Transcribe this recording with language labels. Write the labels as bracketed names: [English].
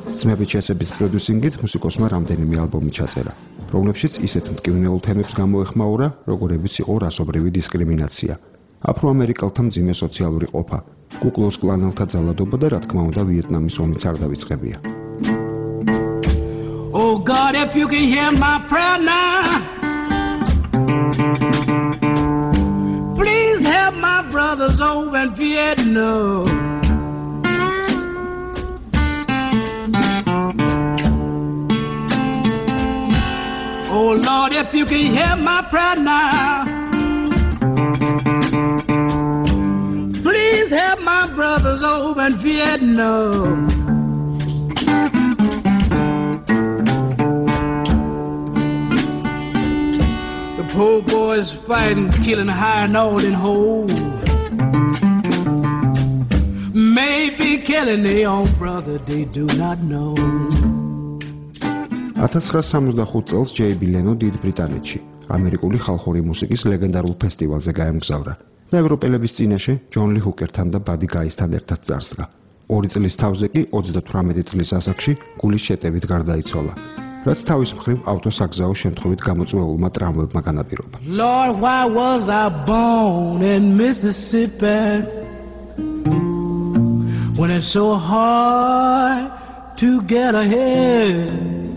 [Georgian] ძმების ჩესების პროდიუსინგით მუსიკოსმა რამდენიმე ალბომი ჩაწერა, რომლებშიც ისეთ მტკივნეულ თემებს გამოეხმაურა, როგორებიც იყო რასობრივი დისკრიმინაცია, აფროამერიკელთა მძიმე სოციალური ყოფა, კუკლოს კლანელთა ძალადობა და რა თქმა უნდა ვიეტნამის ომიც არ დავიწყებია. [English] God, if you can hear my prayer now, please help my brothers over in Vietnam. Oh Lord, if you can hear my prayer now, please help my brothers over in Vietnam. The poor boys fighting, killing high and old and whole, maybe killing their own brother they do not know. [Georgian] 1965 წელს ჯეი ბი ლენო დიდ ბრიტანეთში ამერიკული ხალხური მუსიკის ლეგენდარულ ფესტივალზე გამგზავრა და ევროპელების წინაშე ჯონ ლი ჰუკერთან და ბადი გაისთან ერთად წარსდგა. 2 წლის თავზე კი 38 წლის ასაკში გულის შეტევით გარდაიცვალა, რაც თავის მხრივ ავტოსაგზაო შემთხვევით გამოწვეულმა ტრამვებმა განაპირობა. [English] Lord, why was I born in Mississippi when it's so hard to get ahead?